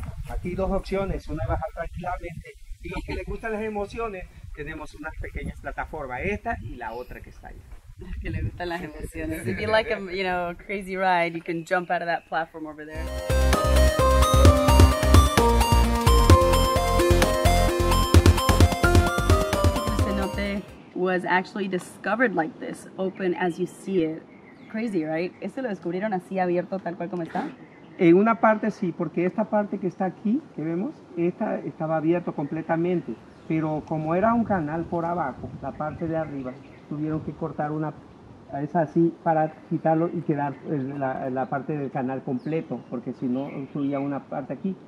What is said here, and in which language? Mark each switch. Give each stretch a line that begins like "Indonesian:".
Spanish: Aquí dos opciones, una es bajar tranquilamente y los que les gustan las emociones, tenemos unas pequeñas plataformas, esta y la otra que está allá. Que le gustan las emociones.
English: If you like a, you know, crazy ride, you can jump out of that platform over there. The cenote was actually discovered like this, open as you see it. Crazy, right?
Spanish: ¿Este lo descubrieron así abierto tal cual como está? En una parte sí, porque esta parte que está aquí, que vemos, esta estaba abierto completamente, pero como era un canal por abajo, la parte de arriba, tuvieron que cortar una, es así, para quitarlo y quedar la parte del canal completo, porque si no, subía una parte aquí.